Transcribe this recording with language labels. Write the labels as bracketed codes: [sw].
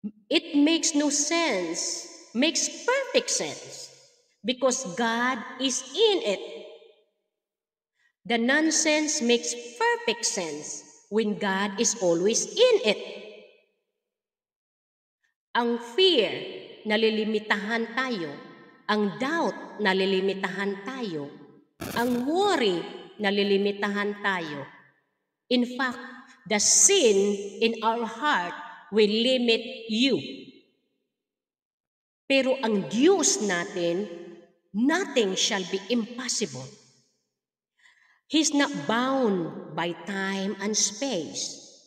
[en] It makes no sense, makes perfect sense, because God is in it. The nonsense makes perfect sense when God is always in it. [tl] Ang fear, nalilimitahan tayo. Ang doubt, nalilimitahan tayo. Ang worry, nalilimitahan tayo. [en] In fact, the sin in our heart will limit you. [tl] Pero ang Diyos natin, [en] nothing shall be impossible. He's not bound by time and space.